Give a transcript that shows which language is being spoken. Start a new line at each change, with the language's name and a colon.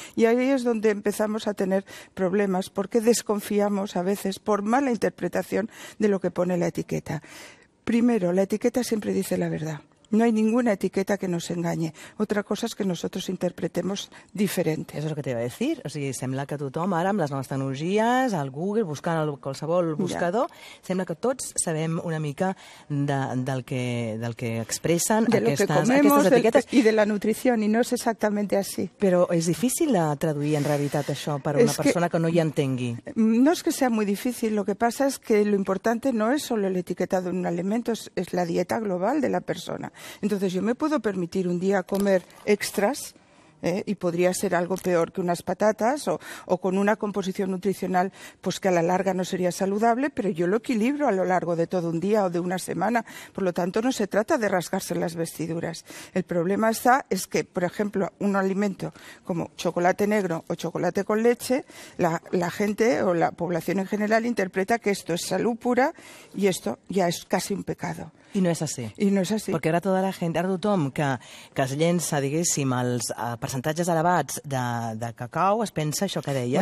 Spanish: Y ahí es donde empezamos a tener problemas porque desconfiamos a veces por mala interpretación de lo que pone la etiqueta. Primero, la etiqueta siempre dice la verdad. No hay ninguna etiqueta que nos engañe. Otra cosa es que nosotros interpretemos diferente. Eso es lo que te iba a decir.
Catalan: O sigui, sembla que tothom, ara, amb les noves tecnologies, al Google, buscant qualsevol buscador, sembla que tots sabem una mica del que expressen aquestes etiquetes. I de la nutrició, i no és exactament així. Però és difícil traduir en realitat això per a una persona que no hi entengui. No és que sigui molt difícil. El que passa és que lo important no és
Spanish: solo el etiquetado en un alimento,
Catalan: és la dieta global de la persona.
Spanish: Entonces, yo me puedo permitir un día comer extras, y podría ser algo peor que unas patatas o con una composición nutricional pues que a la larga no sería saludable, pero yo lo equilibro a lo largo de todo un día o de una semana. Por lo tanto, no se trata de rasgarse las vestiduras. El problema está es que, por ejemplo, un alimento como chocolate negro o chocolate con leche, la gente o la población en general interpreta que esto es salud pura y esto ya es casi un pecado.
Catalan: I no és així. I no és així. Perquè ara tota la gent, ara tothom que es llença, diguéssim, els percentatges elevats de cacau, es pensa això que deies,